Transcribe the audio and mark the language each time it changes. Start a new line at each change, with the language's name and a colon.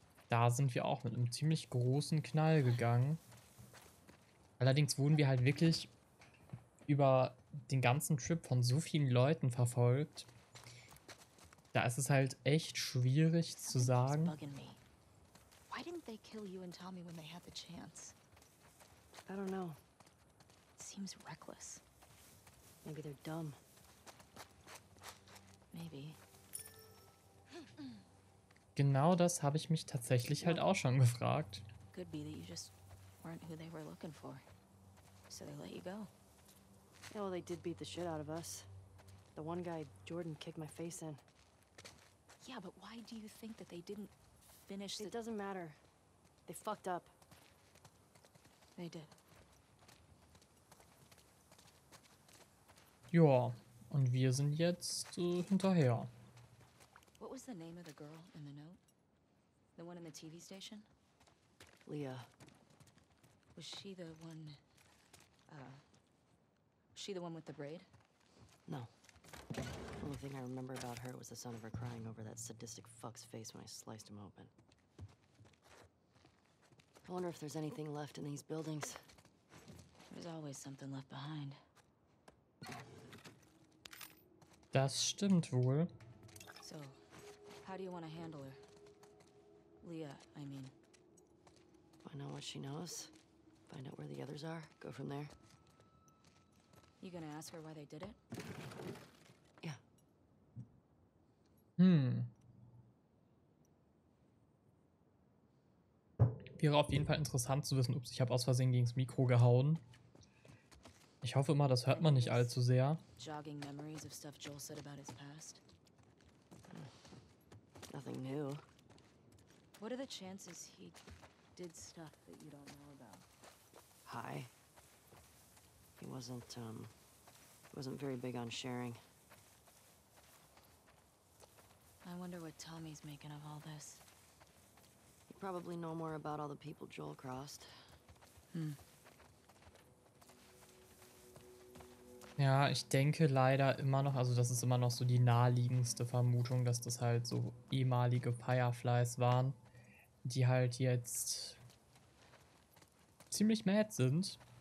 German: Da sind wir auch mit einem ziemlich großen Knall gegangen. Allerdings wurden wir halt wirklich über den ganzen Trip von so vielen Leuten verfolgt. Da ist es halt echt schwierig zu sagen.
English: Why didn't they kill you and Tommy when they had the chance? I don't know. It seems reckless. Maybe they're dumb. Maybe.
German: Genau das habe ich mich tatsächlich halt auch schon gefragt.
English: Could be that you just weren't who they were looking for. So they let you go. Yeah, well, they did beat the shit out of us. The one guy, Jordan, kicked my face in. Yeah, but why do you think that they didn't finish it? It doesn't matter. They fucked up. They did.
German: Ja, und wir sind jetzt hinterher.
English: What was the name of the girl in the note? The one in the TV station? Leah. Was she the one... Was she the one with the braid? No. The only thing I remember about her was the sound of her crying over that sadistic fuck's face when I sliced him open. I wonder if there's anything left in these buildings. There's always something left behind.
German: Das stimmt wohl.
English: So... How do you want to handle her? Leah, I mean. Find out what she knows. Find out where the others are. Go from there. You gonna ask her why they did it? Yeah. Hm.
German: Wäre auf jeden Fall interessant zu wissen. Ups, ich habe aus Versehen gegen das Mikro gehauen. Ich hoffe immer, das hört man nicht allzu sehr.
English: Jogging memories of stuff Joel said about his past. Nothing new. What are the chances he did stuff that you don't know about? High. He wasn't, wasn't very big on sharing. I wonder what Tommy's making of all this. You probably know more about all the people Joel crossed. Hmm.
German: Ja, ich denke leider immer noch, also das ist immer noch so die naheliegendste Vermutung, dass das halt so ehemalige Fireflies waren, die halt jetzt ziemlich mad sind.